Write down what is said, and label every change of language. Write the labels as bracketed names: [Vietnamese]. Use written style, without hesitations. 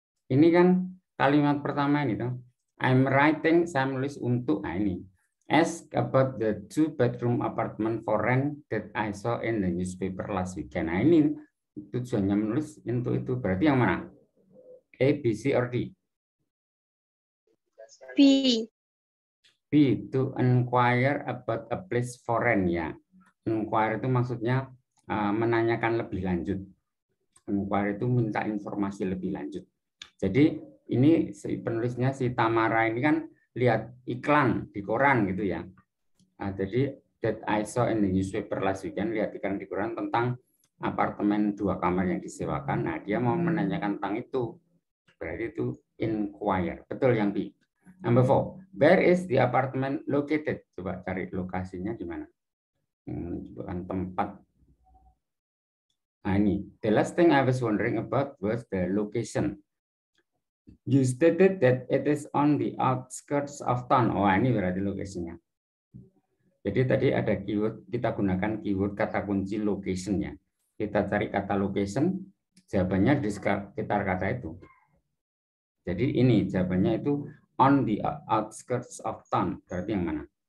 [Indonesian] Ini kan kalimat pertama ini toh. [English] I'm writing, [Indonesian] saya menulis untuk ini. [English] Ask about the two bedroom apartment for rent that I saw in the newspaper last weekend. [Indonesian] Nah, ini tujuannya menulis untuk itu. Berarti yang mana? A, B, C, or D? B. [English] B, to inquire about a place for rent ya. [Indonesian] Inquire itu maksudnya menanyakan lebih lanjut. Inquire itu minta informasi lebih lanjut. Jadi ini si penulisnya si Tamara ini kan lihat iklan di koran gitu ya. Nah, jadi [English] that I saw in the newspaper last weekend, [Indonesian] lihat iklan di koran tentang apartemen dua kamar yang disewakan. Nah, dia mau menanyakan tentang itu. Berarti itu inquire. Betul yang B. [English] Number four, where is the apartment located? [Indonesian] Coba cari lokasinya di mana. Bukan tempat. Nah, ini. [English] The last thing I was wondering about was the location. You stated that it is on the outskirts of town. [Indonesian] Oh, ini berarti lokasinya. Jadi tadi ada keyword, kita gunakan keyword kata kunci location-nya. Kita cari kata location, jawabannya di sekitar kata itu. Jadi ini jawabannya itu [English] on the outskirts of town. [Indonesian] Berarti yang mana?